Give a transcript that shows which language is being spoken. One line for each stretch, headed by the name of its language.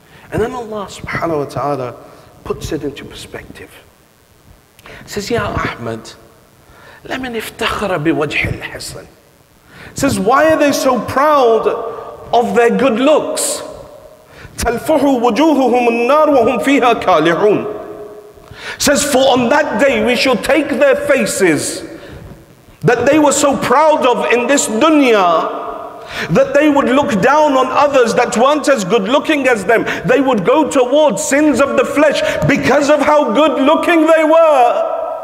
English: And then Allah subhanahu wa ta'ala puts it into perspective. It says,
Arabic: Ya Ahmad, لمن افتخر بوجه الحسن.
English: Says, why are they so proud of their good looks?
Arabic: تلفح وجوههم النار وهم فيها كالحون.
English: Says, for on that day we shall take their faces that they were so proud of in this dunya, that they would look down on others that weren't as good looking as them. They would go towards sins of the flesh because of how good looking they were.